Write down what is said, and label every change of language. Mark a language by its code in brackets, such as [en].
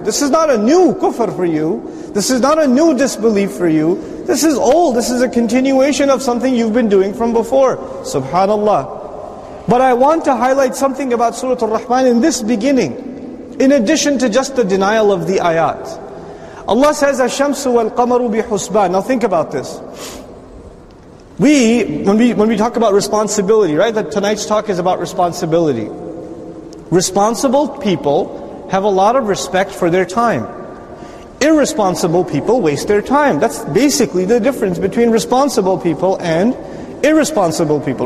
[en] This is not a new kufr for you. This is not a new disbelief for you. This is old. This is a continuation of something you've been doing from before. Subhanallah. But I want to highlight something about Surah Ar Rahman in this beginning. In addition to just the denial of the ayat. Allah says, [ar] الشَّمْسُ وَالْقَمَرُ بِحُسْبَانِ. [en] Now think about this. When we talk about responsibility, right? That tonight's talk is about responsibility. Responsible people have a lot of respect for their time. Irresponsible people waste their time. That's basically the difference between responsible people and irresponsible people.